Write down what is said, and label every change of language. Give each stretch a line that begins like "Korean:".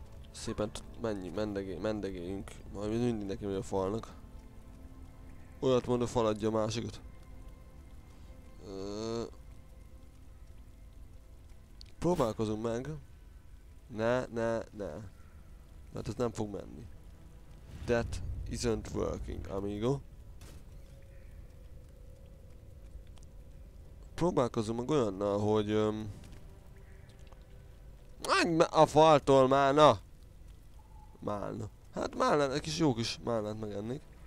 Hungarian: Szépen mennyi, mendegéljünk. Majd mindig neki megy a falnak. Olyat mond, a fal adja a másikat. Próbálkozunk meg. Ne. Mert ez nem fog menni.
English: That isn't working, amigo.
Hungarian: Próbálkozom meg olyannal, hogy... Menj a faltól, málna! Málna. Hát málna, egy kis jó kis málnát megennék.